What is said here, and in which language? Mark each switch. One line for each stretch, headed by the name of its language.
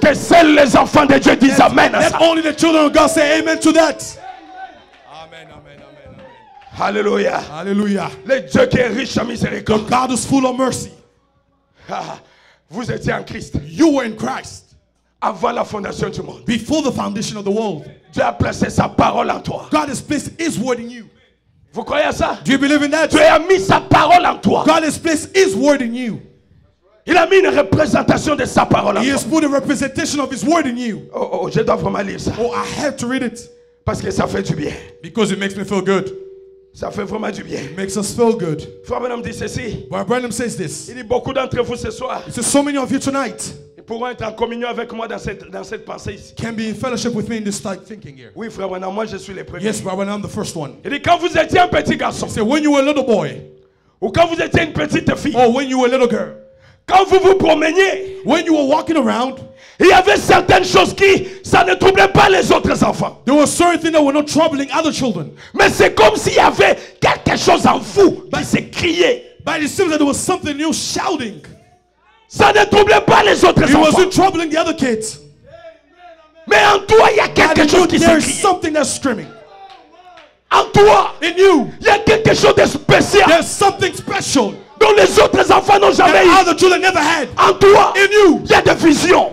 French: Que seuls les enfants de Dieu disent amen à ça.
English: Let only the children of God say amen to that.
French: Hallelujah.
English: Hallelujah.
French: Le Dieu qui est riche en miséricorde.
English: The God is full of mercy.
French: Vous étiez en Christ.
English: You were in Christ.
French: Avant la fondation du monde.
English: Before the foundation of the world.
French: Dieu a placé sa parole en toi.
English: God has placed his word in you.
French: Vous croyez à ça?
English: Do you believe in that?
French: Dieu a mis sa parole en toi.
English: God has placed his word in you.
French: Il a mis une représentation de sa parole en toi.
English: He has put a representation of his word in you.
French: Oh, je dois vraiment lire ça.
English: Oh, I have to read it.
French: Parce que ça fait du bien.
English: Because it makes me feel good.
French: Ça fait vraiment du bien.
English: It makes us feel good.
French: Frère Branham dit ceci.
English: Brother Branham says this.
French: Il dit beaucoup d'entre vous ce soir.
English: It's so many of you tonight.
French: Ils pourront être en communion avec moi dans cette pensée.
English: Can be in fellowship with me in this type thinking here.
French: Oui, Frère Branham, moi je suis le premier.
English: Yes, Brother Branham, the first one.
French: Il dit quand vous étiez un petit garçon.
English: Say when you were a little boy.
French: Ou quand vous étiez une petite fille.
English: Or when you were a little girl.
French: Quand vous vous promeniez.
English: When you were walking around.
French: Il y avait certaines choses qui ça ne troublait pas les autres enfants.
English: There were certain things that were not troubling other children.
French: Mais c'est comme s'il y avait quelque chose en vous qui s'est crié.
English: But it seems that there was something new shouting.
French: Ça ne troublait pas les autres
English: it
French: enfants.
English: It wasn't troubling the other kids.
French: Mais en toi il y a quelque chose qui s'est crié.
English: There is something that's screaming.
French: En toi,
English: in you,
French: il y a quelque chose de spécial.
English: There's something special.
French: Dont les autres enfants n'ont jamais
English: eu. Other children never had.
French: En toi,
English: in you,
French: il y a des visions.